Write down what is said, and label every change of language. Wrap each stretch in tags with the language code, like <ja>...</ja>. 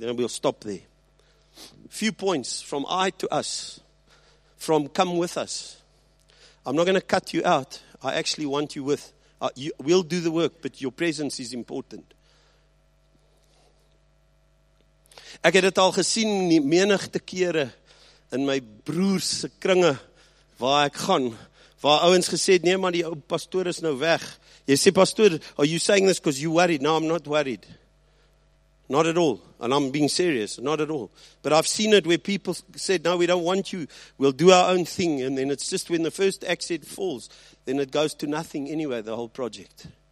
<en>Then we'll stop there. Few points from I to us. From come with us. I'm not going to cut you out. I actually want you with. We'll do the work, but your presence is important.</en> <af>Ek het dit al gesien nie menigte kere in my broers se kringe waar ek gaan, waar ouens gesê het, nee maar die ou pastoor is nou weg. Jy sê, pastoor,</af> <en>are you saying this because you're worried? No, I'm not worried. Not at all. And I'm being serious. Not at all. But I've seen it where people said, no, we don't want you. We'll do our own thing. And then it's just when the first accent falls, then it goes to nothing anyway, the whole project.</en>